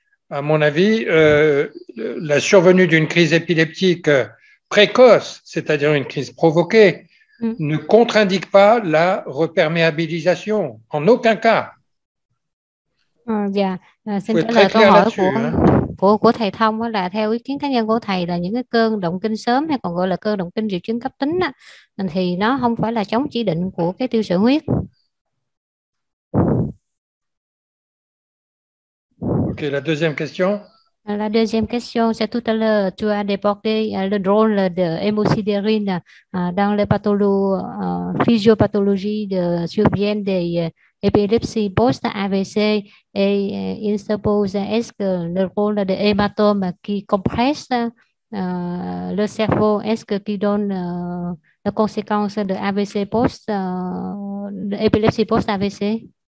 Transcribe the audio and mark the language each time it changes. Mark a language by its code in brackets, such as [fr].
[fr] à mon avis, la survenue d'une crise épileptique précoce, c'est-à-dire une crise provoquée, ne contre-indique pas la reperméabilisation, en aucun cas. [vi] Xin trả lời câu hỏi của thầy Thông, là theo ý kiến cá nhân của thầy là những cái cơn động kinh sớm hay còn gọi là cơn động kinh triệu chứng cấp tính á, thì nó không phải là chống chỉ định của cái tiêu sợi huyết. [fr] Ok, la deuxième question. La deuxième question, c'est tout à l'heure, tu as débordé le drone de hemosiderin dans la physiopathologie de survient des épilepsie post-AVC, et il se pose, est-ce que le rôle de hématome qui compresse le cerveau, est-ce que qui donne la conséquence de AVC post, épilepsie post-AVC?